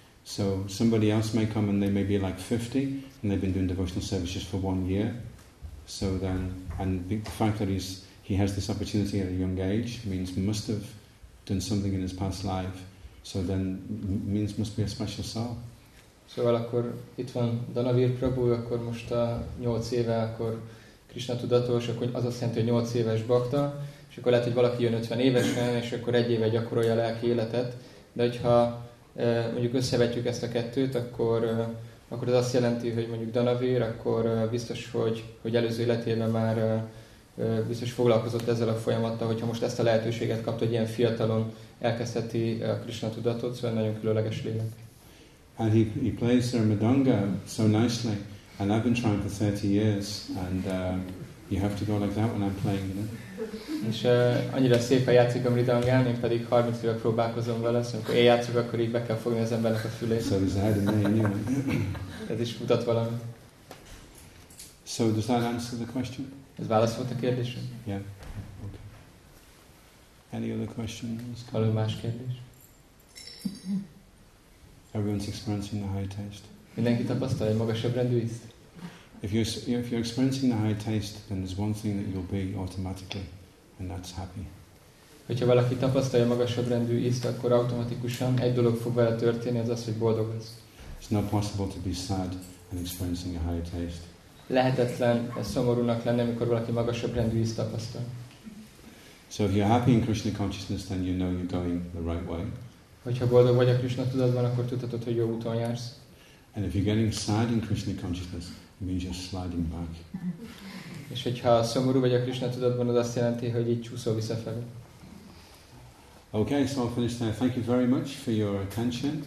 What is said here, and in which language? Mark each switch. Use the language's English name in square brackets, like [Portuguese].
[English] So somebody else may come and they may be like 50, and they've been doing devotional services for 1 year. So then, and the fact that he has this opportunity at a young age means must have done something in his past life. So then means must be a special soul. [Hungarian] Szóval akkor itt van Danavir Prabhu, akkor most a 8 éve, akkor Krishna tudatos, akkor az azt jelenti, hogy 8 éves bakta, és akkor lehet, hogy valaki jön 50 évesen, és akkor egy éve gyakorolja a lelki életet. De hogyha mondjuk összevetjük ezt a kettőt, akkor ez azt jelenti, hogy mondjuk Danavir, akkor biztos, hogy előző életében már biztos foglalkozott ezzel a folyamattal, hogyha most ezt a lehetőséget kapta, hogy ilyen fiatalon elkezdheti a Krishna tudatot, szóval nagyon különleges lélek. [English] And he plays the mridanga so nicely, and I've been trying for 30 years, and you have to go like that when I'm playing, you know? [Hungarian] És annyira szépen játszik a mridangán, én pedig 30 évek próbálkozom vele, szóval amikor én játszok, akkor így be kell fogni az embernek a fülét. [English] So he's had a name, you know? [Hungarian] Ez is mutat valamit. [English] So does that answer the question? [Hungarian] Ez válasz volt a kérdésre? [English] Yeah. Any other questions? [Hungarian] Valami más kérdés? [English] Everyone's experiencing the high taste. [Hungarian] Mindenki tapasztalja egy magasabb rendű ízt? [English] If you're experiencing the high taste, then there's one thing that you'll be automatically, and that's happy. [Hungarian] Hogyha valaki tapasztalja magasabb rendű ízt, akkor automatikusan egy dolog fog vele történni, az az, hogy boldog lesz. [English] It's not possible to be sad and experiencing a high taste. [Hungarian] Lehetetlen szomorúnak lenni, amikor valaki magasabb rendű ízt tapasztal. [English] So if you're happy in Krishna consciousness, then you know you're going the right way. [Hungarian] Hogyha boldog vagy a Krishna tudatban, akkor tudhatod, hogy jó úton jársz. [English] And if you're getting sad in Krishna consciousness, it means you're sliding back. [Hungarian] És hogyha szomorú vagy a Krishna tudatban, az azt jelenti, hogy így csúszol visszafelé. [English] Okay, so I'll finish there. Thank you very much for your attention.